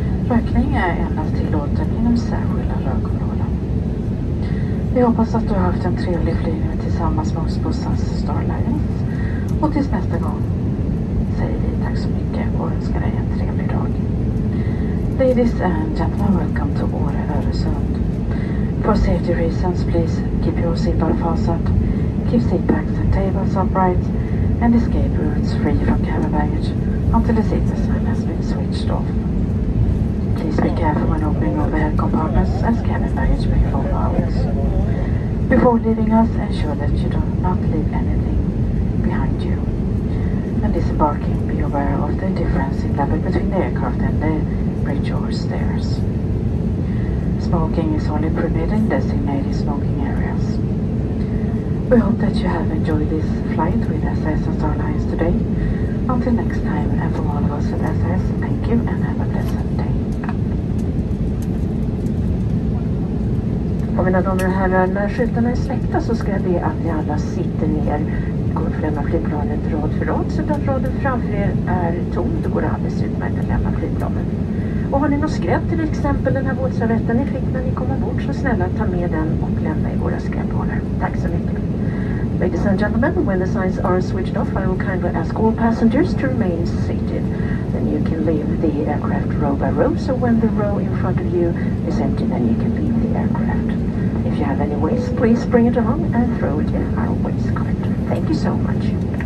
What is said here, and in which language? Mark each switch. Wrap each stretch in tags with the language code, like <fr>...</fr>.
<sv>Rökning är endast tillåten inom särskilda rökområden. Vi hoppas att du har haft en trevlig flygning tillsammans med oss på SAS Starlines. Och tills nästa gång säger vi tack så mycket och önskar dig en trevlig dag.</sv> <en>Ladies and gentlemen, welcome to Åre Öresund. For safety reasons, please keep your seatbelt fastened, keep seat backs and tables upright, and escape routes free from cabin baggage until the seat assign has been switched off. Please be careful when opening overhead compartments as cabin baggage may fall out. Before leaving us, ensure that you do not leave anything behind you. When disembarking, be aware of the difference in level between the aircraft and the bridge or stairs. Smoking is only permitted in designated smoking areas. We hope that you have enjoyed this flight with SAS and Starlines today. Until next time, and from all of us at SAS, thank you and have a pleasant day.</en> <sv>Och mina damer och herrar, när skyltarna är släckta så ska jag be att ni alla sitter ner. Vi kommer att lämna flygplanet rad för rad, så att raden framför er är tom. Då går det alldeles utmärkt att lämna flygplanet. Och har ni något skräp till exempel, den här våtservetten ni fick när ni kom ombord, så snälla ta med den och lämna i våra skräphålor. Tack så mycket.</sv> <en>Ladies and gentlemen, when the signs are switched off, I will kindly ask all passengers to remain seated. Then you can leave the aircraft row by row, so when the row in front of you is empty, then you can leave the aircraft. If you have any waste, please bring it along and throw it in our waste collector. Thank you so much.</en>